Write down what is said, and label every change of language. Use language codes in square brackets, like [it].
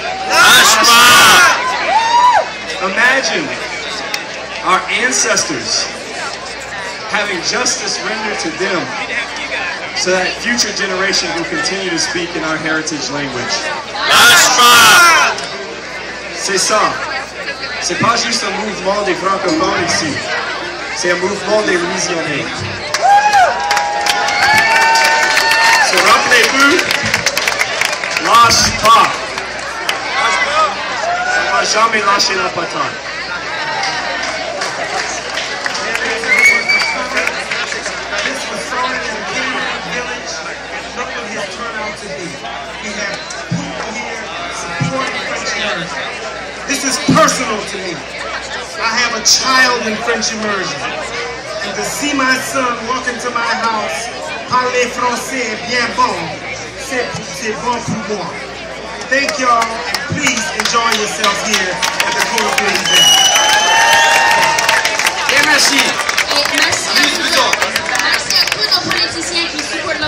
[fr] Lâche pas. [en] Imagine our ancestors having justice rendered to them so that future generations will continue to speak in our heritage language. [fr] Lâche pas. C'est ça. C'est pas juste un mouvement des francophones ici. C'est un mouvement des Louisianais. So rappelez-vous, lâche pas. Jamais lâcher la patate. [en] This was started in the village. Look what his turnout to be. We have people here supporting French immersion. This is personal to me. I have a child in French immersion. And to see my son walk into my house, [fr] parler français bien bon, c'est bon pour moi. [en] Thank y'all, and please enjoy yourself here at the CODOFIL event. [fr] Et merci. Et merci à tous nos politiciens qui soutiennent.